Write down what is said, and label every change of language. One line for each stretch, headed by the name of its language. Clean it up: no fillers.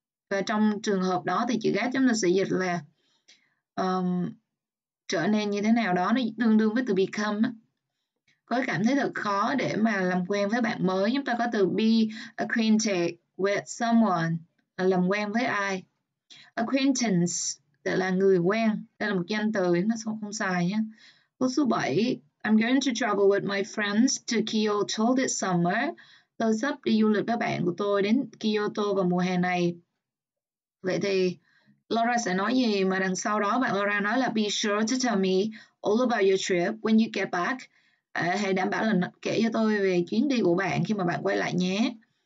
Vietnamese: Và trong trường hợp đó thì chữ get chúng ta sẽ dịch là trở nên như thế nào đó, nó tương đương với từ become. Có cảm thấy thật khó để mà làm quen với bạn mới. Chúng ta có từ
English: be acquainted with someone,
Vietnamese: làm quen với ai. Acquaintance là người quen, đây là một danh từ, nó không xài nhé. Câu số 7,
English: I'm going to travel with my friends to Kyoto this summer.
Vietnamese: Tôi sắp đi du lịch với bạn của tôi đến Kyoto vào mùa hè này. Vậy thì Laura sẽ nói gì mà đằng sau đó bạn Laura nói là
English: be sure to tell me all about your trip when you get back.
Vietnamese: Hãy đảm bảo là kể cho tôi về chuyến đi của bạn khi mà bạn quay lại nhé.